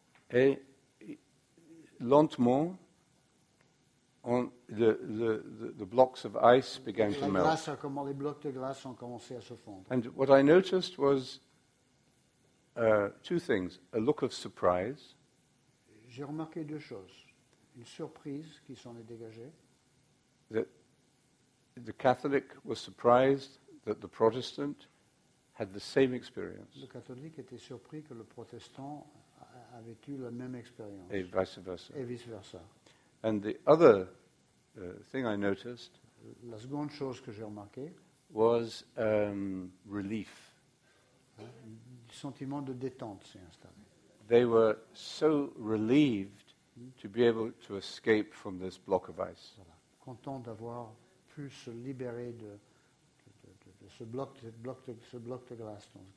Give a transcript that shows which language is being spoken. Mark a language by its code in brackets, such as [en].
[fr] Et lentement, [en] the blocks of ice began to melt. [fr] Les blocs de glace ont commencé à se fondre. [en] And what I noticed was two things, a look of surprise. [fr] J'ai remarqué deux choses. Une surprise qui s'en est dégagée. [en] That the Catholic was surprised that the Protestant had the same experience. Le catholique était surpris que le protestant avait eu la même expérience. [fr] Et vice versa. Et vice versa. [en] And the other thing I noticed, [fr] la seconde chose que j'ai remarqué, [en] was relief. [fr] Un sentiment de détente s'est installé. [en] They were so relieved to be able to escape from this block of ice. [fr] Voilà. Content d'avoir pu se libérer de ce bloc de glace.